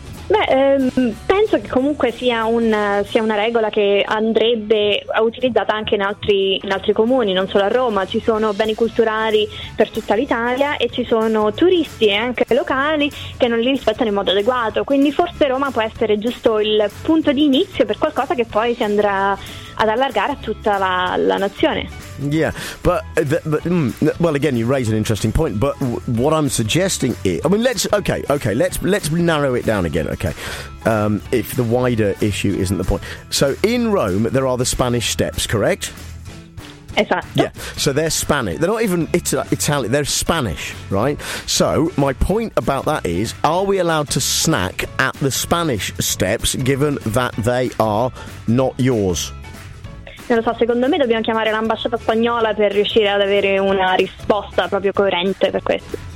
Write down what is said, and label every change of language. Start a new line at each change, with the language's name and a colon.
Italian: Beh, penso che comunque sia una regola che andrebbe utilizzata anche in altri comuni, non solo a Roma. Ci sono beni culturali per tutta l'Italia e ci sono turisti e anche locali che non li rispettano in modo adeguato. Quindi forse Roma può essere giusto il punto di inizio per qualcosa che poi si andrà ad allargare a tutta la nazione.
English: Yeah, but again, you raise an interesting point. But what I'm suggesting is, I mean, let's narrow it down again. Okay, if the wider issue isn't the point. So in Rome, there are the Spanish Steps, correct? Exactly. Yeah, so they're Spanish. They're not even Italian. They're Spanish, right? So my point about that is, are we allowed to snack at the Spanish Steps, given that they are not yours?
Italian: Non lo so, secondo me dobbiamo chiamare l'ambasciata spagnola per riuscire ad avere una risposta proprio coerente per questo.